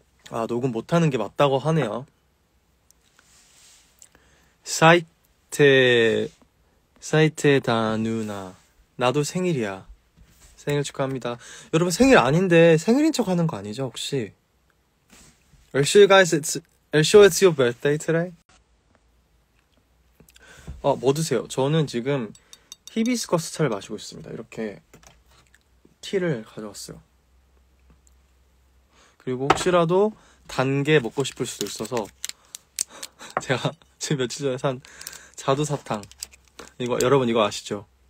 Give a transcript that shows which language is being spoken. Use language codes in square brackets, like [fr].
[ko] 아 녹음 못하는 게 맞다고 하네요. 사이테 다누나 나도 생일이야. 생일 축하합니다. 여러분 생일 아닌데 생일인 척 하는 거 아니죠 혹시? [en] Are you sure guys? Are you sure it's your birthday today? [ko] 아, 뭐 드세요? 저는 지금 히비스커스 차를 마시고 있습니다. 이렇게 티를 가져왔어요. 그리고 혹시라도 단 게 먹고 싶을 수도 있어서 제가 지금 며칠 전에 산 자두사탕 이거 여러분 이거 아시죠?